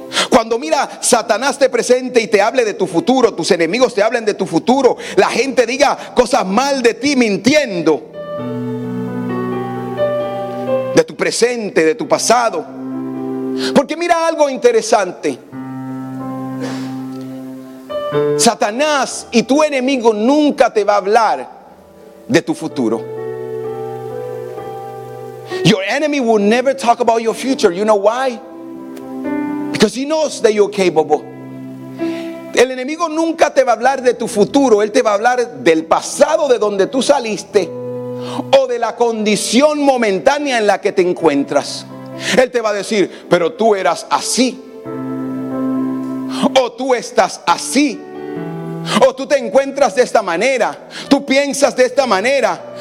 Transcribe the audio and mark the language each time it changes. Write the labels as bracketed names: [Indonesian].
[Spanish] Cuando mira Satanás te presente y te hable de tu futuro, tus enemigos te hablen de tu futuro, la gente diga cosas mal de ti, mintiendo de tu presente, de tu pasado. Porque mira algo interesante: Satanás y tu enemigo nunca te va a hablar de tu futuro. [English] Your enemy will never talk about your future. You know why? Because he knows that you're capable. [Spanish] El enemigo nunca te va a hablar de tu futuro. Él te va a hablar del pasado, de donde tú saliste, o de la condición momentánea en la que te encuentras. Él te va a decir: pero tú eras así, o tú estás así, o tú te encuentras de esta manera, tú piensas de esta manera.